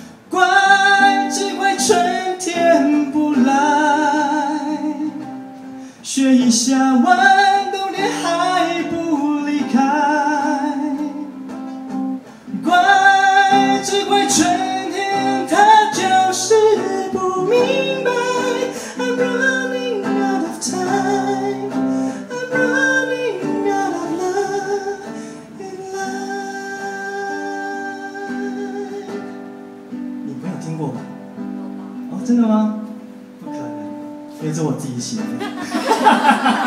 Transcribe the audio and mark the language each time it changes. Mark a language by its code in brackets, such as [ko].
[zh] 怪只怪春天不来，雪一下完冬天还不离开。怪只怪春天他就是不明白。 [en] I'm running out of time, I'm running out of love in life。 [zh] 你没有听过吗？哦，真的吗？不可能，因为这我自己写的。